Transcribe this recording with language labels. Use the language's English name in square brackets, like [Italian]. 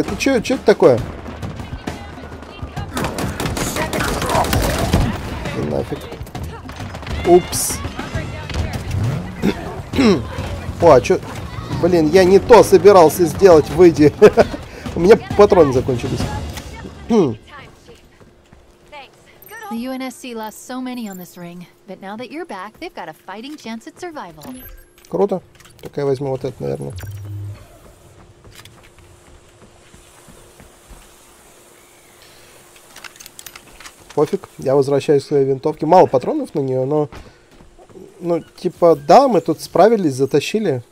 [Russian] Это чё, чё это такое? И нафиг. Упс. О, а чё... Блин, я не то собирался сделать, выйди. У меня патроны закончились. [English] The UNSC lost so many on this ring, but now that you're back, they've got a fighting chance at survival. [Russian] Круто. Так я возьму вот это, наверное. Пофиг, я возвращаюсь к своей винтовке. Мало патронов на нее, но... Ну, типа, да, мы тут справились, затащили.